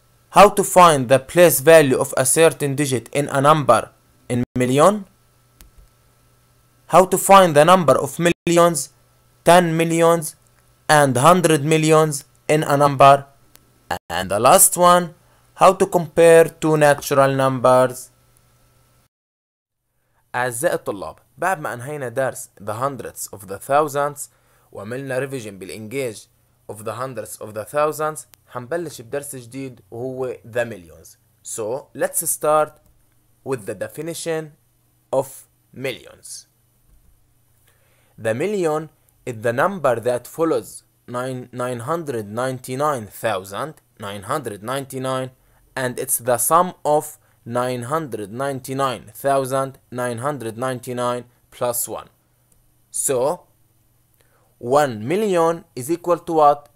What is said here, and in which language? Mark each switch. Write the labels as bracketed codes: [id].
[en] How to find the place value of a certain digit in a number in million. How to find the number of millions, 10 millions, and 100 millions in a number. And the last one, how to compare two natural numbers. [ar] أعزائي الطلاب، بعد ما أنهينا درس [en] The Hundreds of the Thousands [ar] وعملنا revision بالإنجاج [en] of the Hundreds of the Thousands، [ar] هنبلش بدرس جديد وهو [en] The Millions. So, let's start with the definition of millions. The million is the number that follows 999,999, and it's the sum of 999,999 plus 1. So, 1 million is equal to what?